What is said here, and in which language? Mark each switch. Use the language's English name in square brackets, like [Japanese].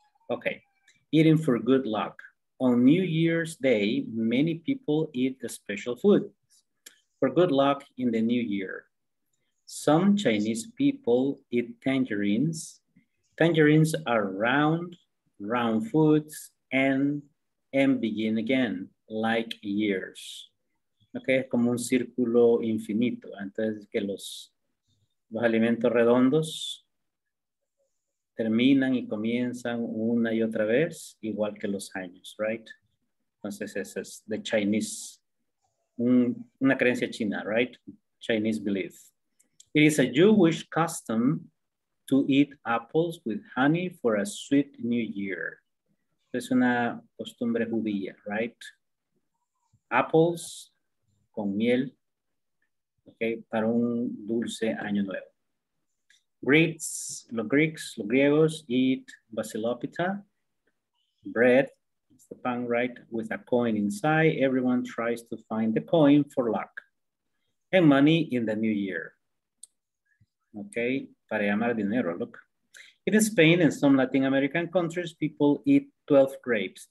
[English] Okay, eating for good luck. On New Year's Day, many people eat the special foods for good luck in the new year. Some Chinese people eat tangerines. Tangerines are round foods and begin again, like years. [Spanish] Okay, como un círculo infinito. Entonces, que los alimentos redondos terminan y comienzan una y otra vez, igual que los años, right? Entonces, ese es the Chinese, una creencia china, right? [English] Chinese belief. It is a Jewish custom to eat apples with honey for a sweet new year. [Spanish] Es una costumbre judía, right? Apples con miel, okay, para un dulce año nuevo. [English] Greeks, [Spanish] los griegos, [English] eat basilopita, bread, it's the pan, right, with a coin inside. Everyone tries to find the coin for luck and money in the new year. Okay, [Spanish] para llamar dinero, [English] look. In Spain and some Latin American countries, people eat 12 grapes.